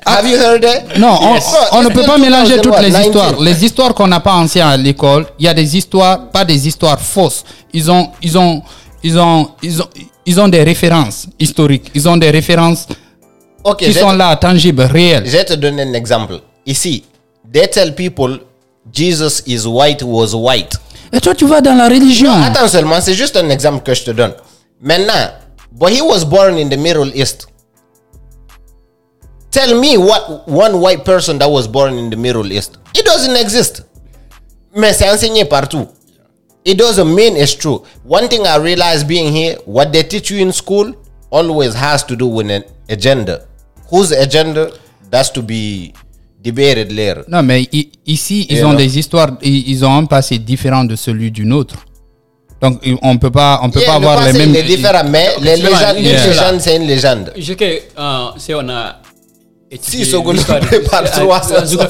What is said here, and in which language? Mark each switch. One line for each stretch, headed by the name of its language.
English: Have you heard it?
French: Non, yes. On ne peut pas mélanger toutes les histoires. Les histoires qu'on n'a pas anciennes à l'école, il y a des histoires, pas des histoires fausses. Ils ont des références historiques. Ils ont des références qui sont là, tangibles, réelles. Je vais te donner un exemple.
English: Ici, they tell people Jesus is white was white.
French: Et toi, tu vas dans la religion. Non, attends seulement, c'est juste un exemple que je te donne.
English: Maintenant, but he was born in the Middle East. Tell me what one white person that was born in the Middle East. It doesn't exist.
French: Mais c'est enseigné partout.
English: It doesn't mean it's true. One thing I realized being here, what they teach you in school always has to do with an agenda. Whose agenda? That's to be debated later.
French: Non, mais ici, ils ont des histoires, ils ont un passé différent de celui d'une autre. Donc, on ne peut pas, on peut pas avoir le les mêmes... Il est différent, mais les légendes, une légende, c'est une légende. Je sais que si on a étudié Sogolo l'histoire